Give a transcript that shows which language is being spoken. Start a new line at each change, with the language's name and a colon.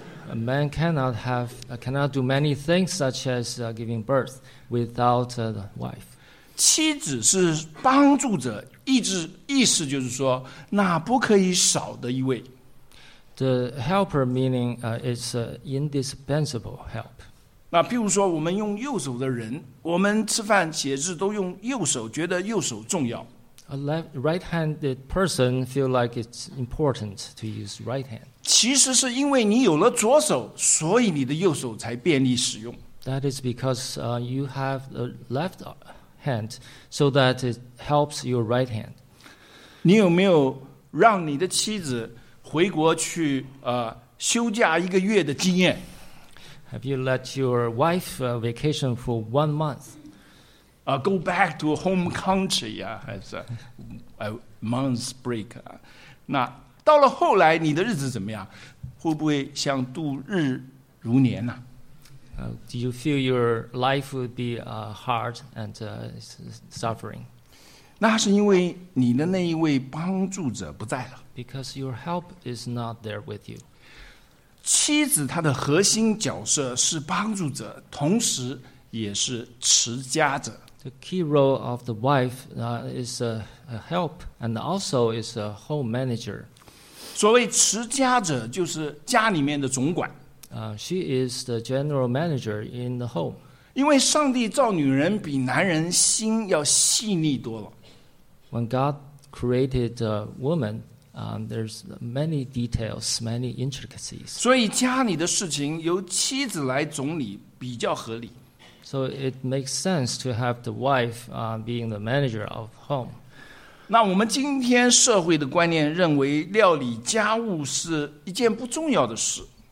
English: A man cannot do many things such as giving birth without the wife.
Chinese: 妻子是帮助者，意思就是说，那不可以少的一位。
English: The helper meaning is an indispensable help.
Chinese: 那譬如说，我们用右手的人，我们吃饭写字都用右手，觉得右手重要。
English: A right-handed person feel like it's important to use right hand.
Chinese: 其实是因为你有了左手，所以你的右手才便利使用。
English: That is because you have the left hand, so that it helps your right hand.
Chinese: 你有没有让你的妻子回国去休假一个月的经验？
English: Have you let your wife vacation for 1 month? Go back to home country, as a month break.
Chinese: 那到了后来，你的日子怎么样？会不会像度日如年呢？
English: Do you feel your life would be hard and suffering?
Chinese: 那是因为你的那一位帮助者不在了。
English: Because your help is not there with you.
Chinese: 妻子她的核心角色是帮助者，同时也是持家者。
English: The key role of the wife is a help and also is a home manager.
Chinese: 所谓持家者就是家里面的总管。
English: She is the general manager in the home.
Chinese: 因为上帝造女人比男人心要细腻多了。
English: When God created a woman, there's many details, many intricacies.
Chinese: 所以家里的事情由妻子来总理比较合理。
English: So it makes sense to have the wife being the manager of home.
Chinese: 那我们今天社会的观念认为料理家务是一件不重要的事。